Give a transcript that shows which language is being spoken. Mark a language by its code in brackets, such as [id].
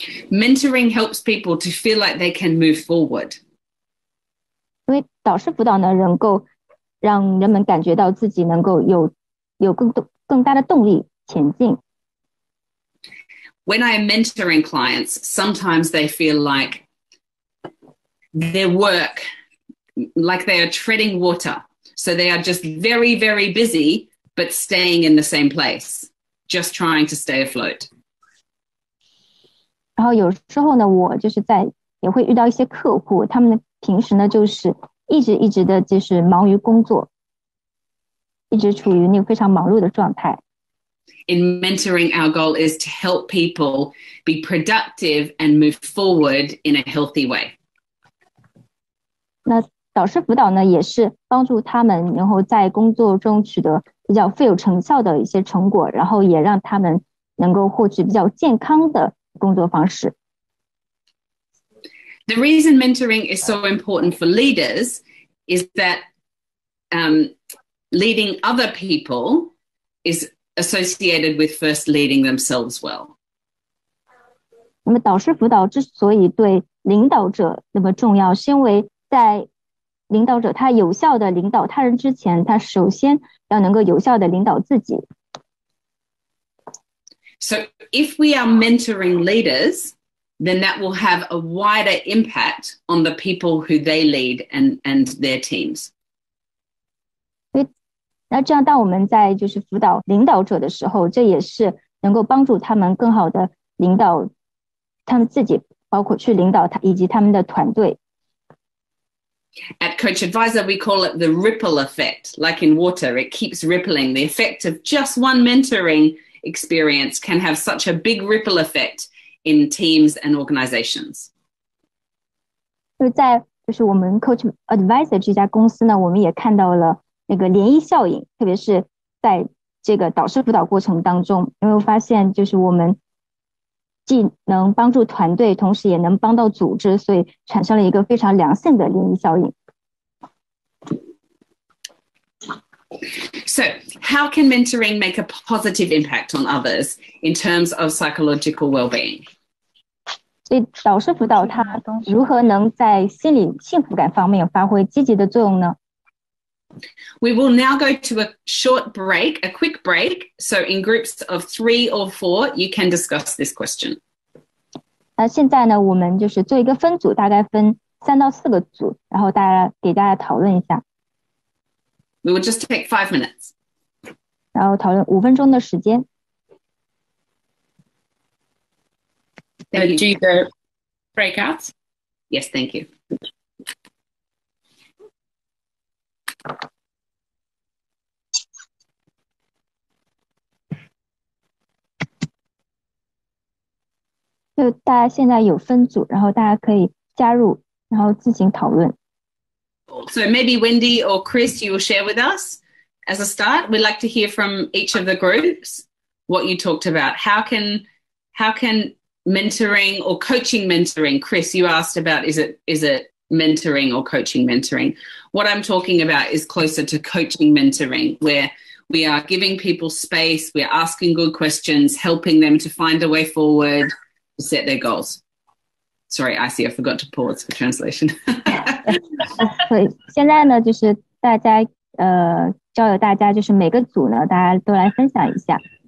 [en] Mentoring helps people to feel like they can move forward. [zh] 因为导师辅导呢，能够让人们感觉到自己能够有更多更大的动力前进。 [en] When I am mentoring clients, sometimes they feel like their work, like they are treading water. So they are just very, very busy, but staying in the same place, just trying to stay afloat. [zh] 然后有时候呢，我就是在也会遇到一些客户，他们平时呢就是一直的就是忙于工作。一直处于那个非常忙碌的状态。 [en] In mentoring, our goal is to help people be productive and move forward in a healthy way. [zh] 那导师辅导呢，也是帮助他们，然后在工作中取得比较富有成效的一些成果，然后也让他们能够获取比较健康的工作方式。 [en] The reason mentoring is so important for leaders is that, leading other people is associated with first leading themselves well. [zh] 那么导师辅导之所以对领导者那么重要，是因为在领导者他有效的领导他人之前，他首先要能够有效的领导自己。 [en] So if we are mentoring leaders, then that will have a wider impact on the people who they lead and their teams. [zh] 那这样当我们在就是辅导领导者的时候，这也是能够帮助他们更好的领导他们自己，包括去领导他以及他们的团队。 [en] At CoachAdviser we call it the ripple effect, like in water, it keeps rippling. The effect of just one mentoring experience can have such a big ripple effect in teams and organizations. [zh] 在就是我们 CoachAdviser 这家公司呢，我们也看到了那个涟漪效应，特别是在这个导师辅导过程当中，因为我发现就是我们既能帮助团队，同时也能帮到组织，所以产生了一个非常良性的涟漪效应。 [en] So how can mentoring make a positive impact on others in terms of psychological well-being? [zh] 所以导师辅导它如何能在心理幸福感方面发挥积极的作用呢？ [en] We will now go to a short break, a quick break. So in groups of three or four, you can discuss this question. [zh] 现在呢，我们就是做一个分组，大概分三到四个组，然后大家给大家讨论一下。 [en] We will just take 5 minutes. [zh] 然后讨论五分钟的时间。 [en] Thank you. Do the breakouts? Yes, thank you. [zh] 就大家现在有分组，然后大家可以加入，然后自行讨论。 [en] So maybe Wendy or Chris, you will share with us as a start. We'd like to hear from each of the groups what you talked about. How can how can mentoring or coaching mentoring, Chris, you asked about, is it mentoring or coaching mentoring? What I'm talking about is closer to coaching mentoring, where we are giving people space, we're asking good questions, helping them to find a way forward to set their goals. Sorry, I see, I forgot to pause for translation. [zh] 现在呢，就是大家交流，大家就是每个组呢，大家都来分享一下。